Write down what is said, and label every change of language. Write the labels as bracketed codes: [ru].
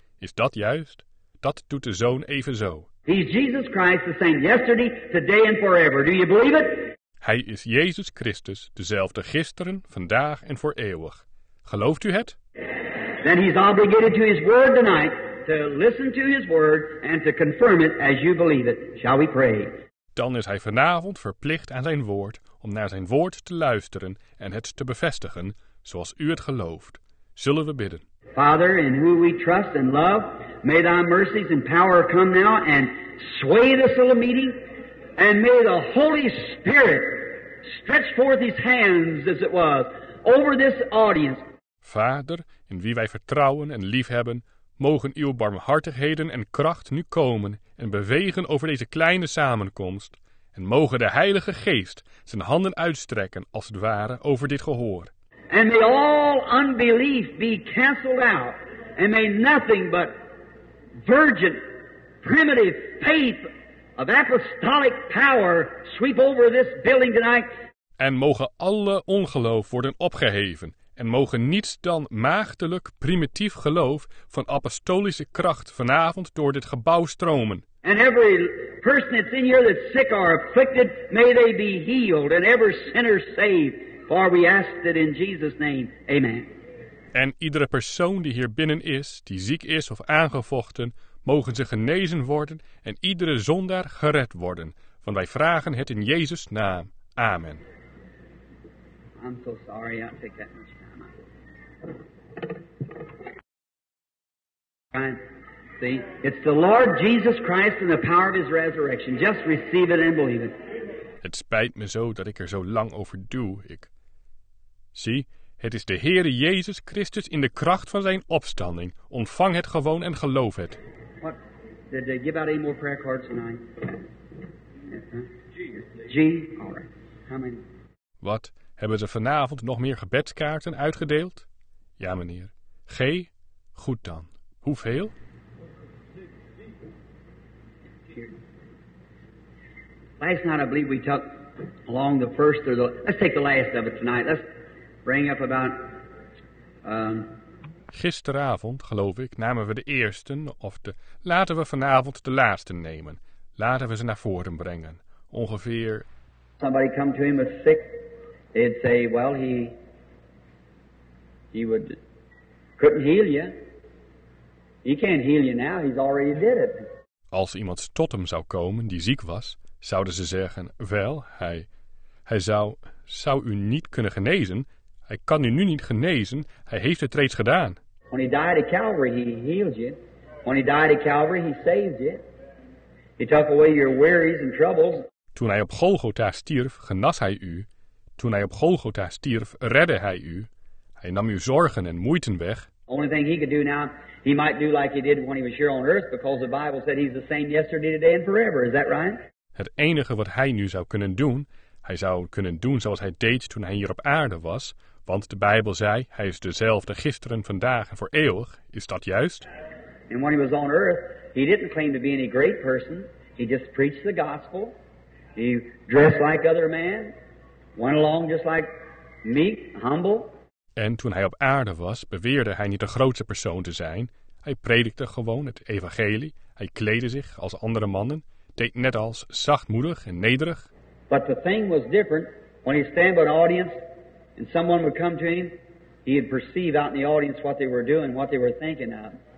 [nl] Is dat juist? Dat doet de Zoon evenzo. [en] He's Jesus Christ, the same yesterday, today and forever. Do you believe it? [nl] Hij is Jezus Christus, dezelfde gisteren, vandaag en voor eeuwig. Gelooft u het? [en] Then he's obligated to his word tonight, to listen to his word and to confirm it as you believe it. Shall we pray? [nl] Dan is hij vanavond verplicht aan zijn woord om naar zijn woord te luisteren en het te bevestigen zoals u het gelooft. Zullen we bidden? [en] Father, in who we trust and love, may thy mercies and power come now and sway this little meeting. And may the Holy Spirit stretch forth his hands, as it was, over this audience. [nl] Vader, in wie wij vertrouwen en liefhebben, mogen uw barmhartigheden en kracht nu komen en bewegen over deze kleine samenkomst. En mogen de Heilige Geest zijn handen uitstrekken, als het ware, over dit gehoor. [en] And may all unbelief be cancelled out. And may nothing but virgin, primitive faith of apostolic power sweep over this building tonight. [nl] En mogen alle ongeloof worden opgeheven. en mogen niets dan maagdelijk primitief geloof van apostolische kracht vanavond door dit gebouw stromen. [en] And every person that's in here that's sick or afflicted, may they be healed, and every sinner saved, for we ask it in Jesus' name. Amen. [nl] En iedere persoon die hier binnen is, die ziek is of aangevochten, mogen ze genezen worden en iedere zondaar gered worden. Want wij vragen het in Jezus' naam. Amen. [en] I'm so sorry I took that much time. I'm fine. See, it's the Lord Jesus Christ and the power of his resurrection. Just receive it and believe it. [nl] Het spijt me zo dat ik er zo lang over doe. Zie, het is de Heere Jezus Christus in de kracht van zijn opstanding. Ontvang het gewoon en geloof het. [en] What? Did they give out any more prayer cards tonight? Yes, huh? G, please. G? All right. How many? [nl] Wat? Hebben ze vanavond nog meer gebedskaarten uitgedeeld? Ja, meneer. G? Goed dan. Hoeveel? [en] Last night I believe we took along the first or the... Let's take the last of it tonight. Let's bring up about... [nl] Gisteravond, geloof ik, namen we de eerste of de... Laten we vanavond de laatste nemen. Laten we ze naar voren brengen. Ongeveer... [en] Somebody come to him was sick. They'd say, well, he would... Couldn't heal you. He can't heal you now. He's already did it. [nl] Als iemand tot hem zou komen die ziek was, zouden ze zeggen, wel, hij zou u niet kunnen genezen. Hij kan u nu niet genezen. Hij heeft het reeds gedaan. [en] When he died at Calvary, he healed you. When he died at Calvary, he saved you. He took away your worries and troubles. [nl] Toen hij op Golgotha stierf, genas hij u. Toen hij op Golgotha stierf, redde hij u. Hij nam uw zorgen en moeite weg. [en] Only thing he could do now, he might do like he did when he was here on earth, because the Bible said he's the same yesterday, today and forever. Is that right? [nl] Het enige wat hij nu zou kunnen doen, hij zou kunnen doen zoals hij deed toen hij hier op aarde was, want de Bijbel zei, hij is dezelfde gisteren, vandaag en voor eeuwig. Is dat juist? [en] And when he was on earth, he didn't claim to be any great person. He just preached the gospel. He dressed like other men. Went along just like meek, humble. [nl] En toen hij op aarde was, beweerde hij niet de grootste persoon te zijn. Hij predikte gewoon het evangelie. Hij kleedde zich als andere mannen. Deed net als zachtmoedig en nederig. [en] But the thing was different. When he'd stand by an audience and someone would come to him, he'd perceive out in the audience what they were doing, what they were thinking of.